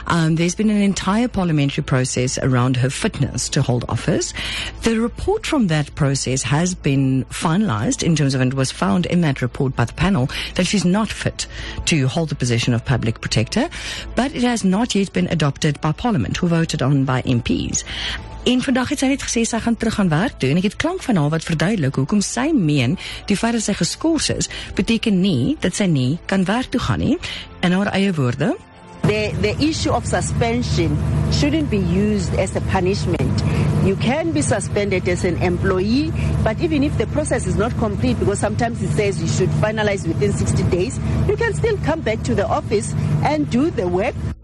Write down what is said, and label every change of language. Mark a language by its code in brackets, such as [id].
[en] There's been an entire parliamentary process around her fitness to hold office. The report from that process has been finalized in terms of, and it was found in that report by the panel, that she's not fit to hold the position of public protector. But it has not yet been adopted by parliament, who voted on by MPs. [af] En vandag het sy net gesê sy gaan terug aan werk toe en ek het klank van haar wat verduidelik hoekom sy meen die feit dat sy geskors is beteken nie dat sy nie kan werk toe gaan nie in haar eie woorde. [en] The issue of suspension shouldn't be used as a punishment. You can be suspended as an employee, but even if the process is not complete, because sometimes it says you should finalize within 60 days, you can still come back to the office and do the work.